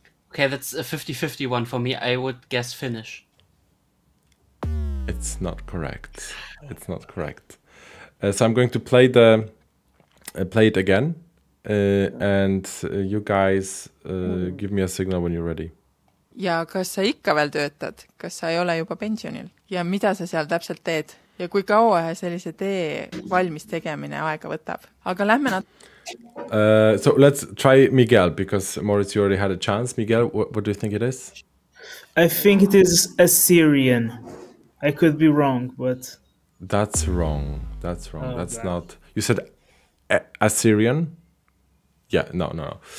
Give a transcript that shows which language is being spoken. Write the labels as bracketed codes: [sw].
[en] Okay, that's a 50-50 one for me. I would guess Finnish. It's not correct. It's not correct. So I'm going to play the play it again, and you guys give me a signal when you're ready. [et] Ja kas sa ikka veel töötad? Kas sa ei ole juba pensionil? Ja mida sa seal täpselt teed? Ja kui kaua sellise tee valmis tegemine aega võtab? Aga lähme nad... [en] So let's try Miguel, because Moritz, you already had a chance. Miguel, what do you think it is? I think it is Assyrian. I could be wrong, but... That's wrong. That's wrong. Oh, that's God. Not... You said Assyrian? Yeah, no.